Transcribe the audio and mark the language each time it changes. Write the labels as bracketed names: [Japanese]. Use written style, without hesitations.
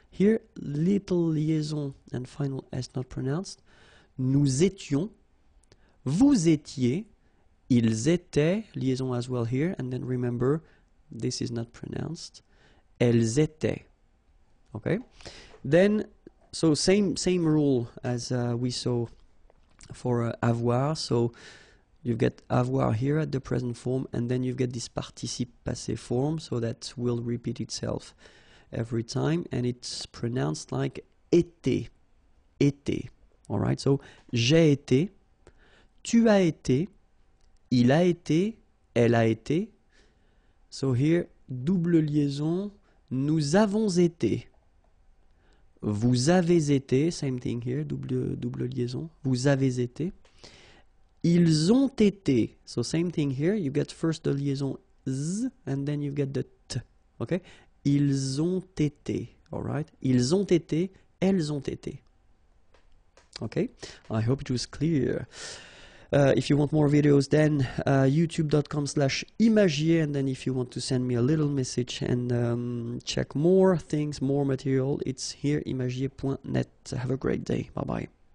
[English] Here, little liaison and final S not pronounced. [French] Nous étions, vous étiez, ils étaient, liaison [English] as well here. And then remember, this is not pronounced. [French] Elles étaient. [English] Okay, then... So same rule as we saw for avoir. So you've got avoir here at the present form, and then you've got this participe passé form, so that will repeat itself every time, and it's pronounced like été, été. All right. [French] So j'ai été, tu as été, il a été, elle a été. [English] So here double liaison, [French] nous avons été. Vous avez été, [English] same thing here, double liaison. [French] Vous avez été. Ils ont été, [English] so same thing here. You get first the liaison z, and then you get the t, okay? [French] Ils ont été, [English] all right? [French] Ils ont été, elles ont été. [English] Okay, I hope it was clear. If you want more videos, then youtube.com/imagier, and then if you want to send me a little message and check more things, more material, it's here, imagier.net. Have a great day. Bye-bye.